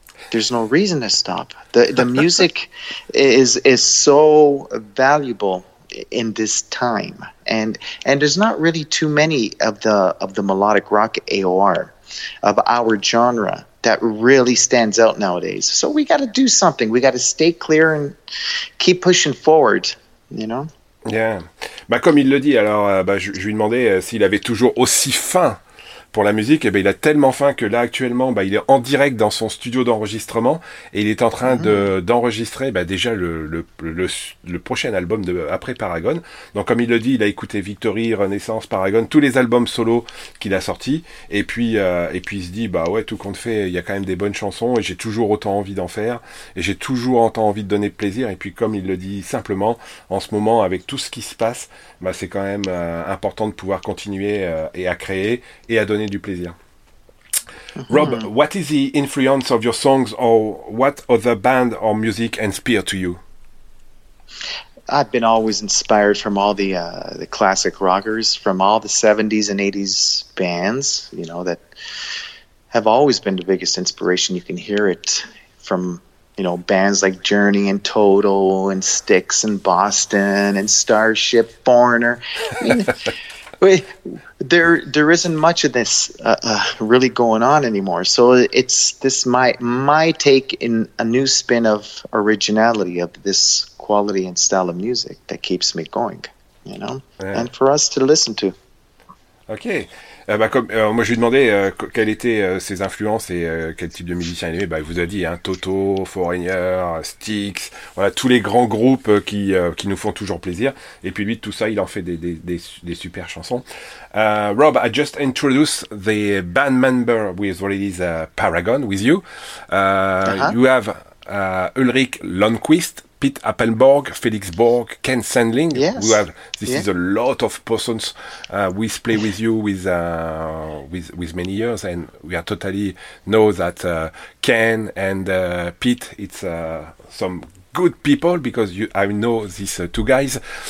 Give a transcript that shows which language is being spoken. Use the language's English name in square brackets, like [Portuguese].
[English] There's no reason to stop. The music is so valuable in this time, and there's not really too many of the melodic rock AOR of our genre that really stands out nowadays. So we got to do something. We got to stay clear and keep pushing forward, Yeah. [French] Comme il le dit, je lui demandais s'il avait toujours aussi faim pour la musique. Et il a tellement faim que là, actuellement, il est en direct dans son studio d'enregistrement et il est en train d'enregistrer déjà le prochain album après Paragon. Donc, comme il le dit, il a écouté Victory, Renaissance, Paragon, tous les albums solo qu'il a sortis. Et puis il se dit, tout compte fait, il y a quand même des bonnes chansons et j'ai toujours autant envie d'en faire et j'ai toujours autant envie de donner plaisir. Et puis, comme il le dit simplement, en ce moment, avec tout ce qui se passe, c'est quand même important de pouvoir continuer et à créer et à donner du plaisir. [English] Rob, what is the influence of your songs or what other band or music inspire to you? I've been always inspired from all the classic rockers, from all the 70s and 80s bands, that have always been the biggest inspiration. You can hear it from, you know, bands like Journey and Toto and Styx and Boston and Starship, Foreigner. I mean, there isn't much of this really going on anymore. So it's this my take in a new spin of originality of this quality and style of music that keeps me going, you know, yeah. And for us to listen to. Ok. [French] Moi, je lui ai demandé quelles étaient ses influences et quel type de musicien il aimait. Bah, il vous a dit, hein, Toto, Foreigner, Styx, voilà, tous les grands groupes qui nous font toujours plaisir. Et puis lui, tout ça, il en fait des super chansons. [English] Rob, I just introduced the band member with release Paragon with you. You have Ulrich Lundquist, Pete Appenborg, Felix Borg, Ken Sandling. Yes. This is a lot of persons we play with you with many years, and we are totally know that Ken and Pete, it's some good people because I know these two guys.